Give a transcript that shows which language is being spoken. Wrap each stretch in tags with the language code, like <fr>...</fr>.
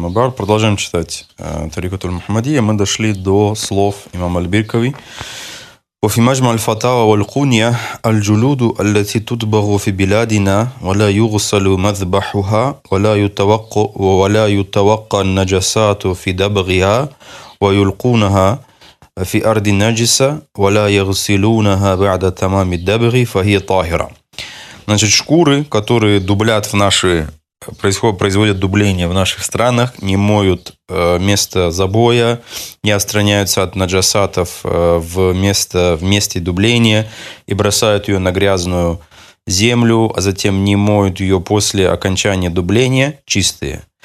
<ru>Продолжаем читать Тарикат аль-Мухаммадия. Мы дошли до слов имама аль-Биркави.</ru> <ar>وفي مجمع الفتاوى والقنية الجلود التي تطبخ في بلادنا ولا يغسل مذبحها ولا يتوقى ولا يتوقى النجسات في دبغها ويلقونها في أرض نجسة ولا يغسلونها بعد تمام الدبغ فهي طاهرة.</ar> <ru>Значит, шкуры, которые дублят в наши производят дубление в наших странах, не моют место забоя, не отстраняются от наджасатов в месте дубления и бросают ее на грязную землю, а затем не моют ее после окончания дубления, чистые.</ru>